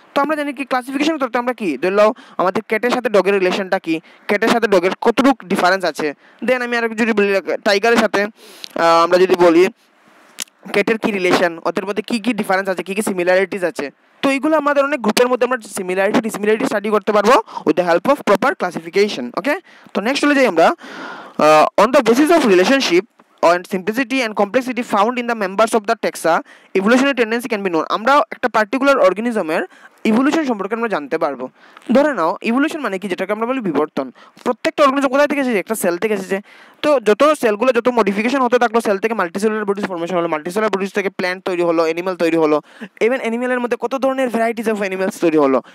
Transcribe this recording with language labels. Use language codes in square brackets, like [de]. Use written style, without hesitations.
[bn] তো আমরা জানি কি ক্লাসিফিকেশন করতে, আমরা কি ধরলো আমাদের ক্যাটের সাথে ডগের রিলেশনটা কি, ক্যাটের সাথে ডগের কতটুকু ডিফারেন্স আছে। দেন আমি আর যদি বলি টাইগারের সাথে আমরা যদি বলি ক্যাটের কী রিলেশন, ওদের মধ্যে কী কী ডিফারেন্স আছে, কী কী সিমিলারিটিস আছে, তো এইগুলো আমাদের অনেক গ্রুপের মধ্যে আমরা সিমিলারিটি ডিসিমিলারিটি স্টাডি করতে পারবো [en] With the help of proper classification. Okay, [bn] তো নেক্সট হলে যাই আমরা, [en] On the basis of relationship and simplicity and complexity found in the members of the taxa, evolutionary tendency can be known. [bn] আমরা একটা particular অর্গানিজমের evolution সম্পর্কে আমরা জানতে পারবো। ধরে নাও ইভলিউশন মানে কি, যেটাকে আমরা বলি বিবর্তন। প্রত্যেকটা অর্গানিজম কোথায় থেকে এসেছে, একটা সেল থেকে এসেছে। তো যত সেলগুলো যত মডিফিকেশন হতে থাকলো, সেল থেকে মাল্টিসেলুলার বডিজ ফর্মেশন হলো, মাল্টিসেলুলার বডিজ থেকে প্ল্যান্ট তৈরি হলো, অ্যানিমেল তৈরি হলো, ইভেন অ্যানিমেলের মধ্যে কত ধরনের ভ্যারাইটিস অফ অ্যানিমেলস তৈরি হলো।